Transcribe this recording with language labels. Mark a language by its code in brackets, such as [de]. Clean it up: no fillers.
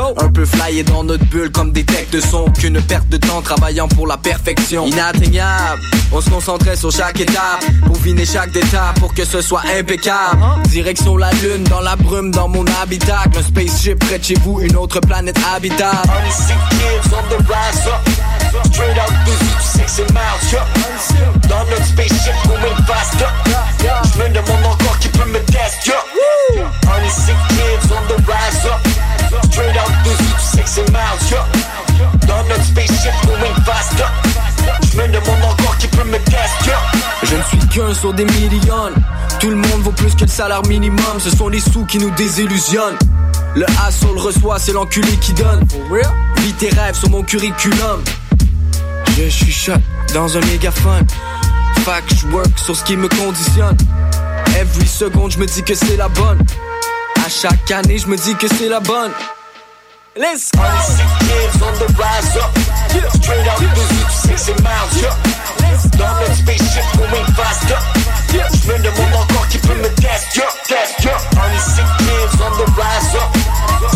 [fr] Un peu flyé dans notre bulle comme des textes de son. Qu'une perte de temps travaillant pour la perfection. Inatteignable, on se concentrait sur chaque étape. Pour viner chaque détail, pour que ce soit impeccable. Direction la lune, dans la brume, dans mon habitat. Un spaceship près de chez vous, une autre planète habitable. On est [en] sick kids on the rise up. Straight out to 6 miles, yeah. [fr] Dans notre spaceship, [en] we went faster. [fr] J'me demande encore qui peut me test, yeah. On est [en] sick kids on the rise up. Straight out to 6 miles, yeah. [fr] Dans notre spaceship, [en] we went faster. [fr] J'me demande encore qui peut me test, yeah. Je ne suis qu'un sur des millions. Tout le monde vaut plus que le salaire minimum. Ce sont les sous qui nous désillusionnent. Le asshole reçoit, c'est l'enculé qui donne. Vis tes rêves sur mon curriculum. Je chuchote dans un mégaphone. Fac, je work sur ce qui me conditionne. Every seconde, je me dis que c'est la bonne. À chaque année, je me dis que c'est la bonne. [en] Let's go. [fr] On est [en] sick kids on the rise up. Straight out to 6 miles, yeah. [fr] Dans notre spaceship, [en] we went faster. [fr] J'me demande encore qui peut me test, yeah. [en] Test, yeah. [fr] On est [en] sick kids on the rise up.